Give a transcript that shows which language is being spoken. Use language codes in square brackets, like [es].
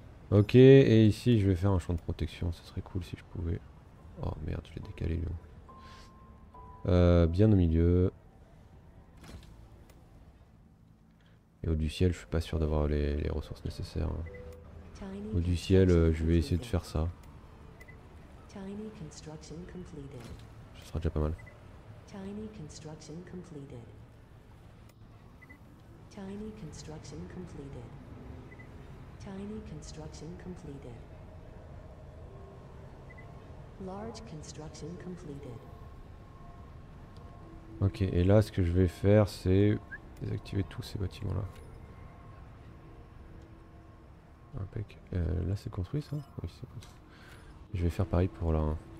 [fr] Ok, et ici je vais faire un champ de protection, ce serait cool si je pouvais. Oh merde, je l'ai décalé lui. Bien au milieu. Et au du ciel, je suis pas sûr d'avoir les ressources nécessaires. Au du ciel, je vais essayer de faire ça. [en] Tiny construction completed. [fr] Ce sera déjà pas mal. [en] Tiny construction completed. Tiny construction completed. Tiny construction completed. Large construction completed. [fr] Ok, et là ce que je vais faire c'est désactiver tous ces bâtiments là. Impec. Là c'est construit ça? Oui c'est construit. Je vais faire pareil pour là.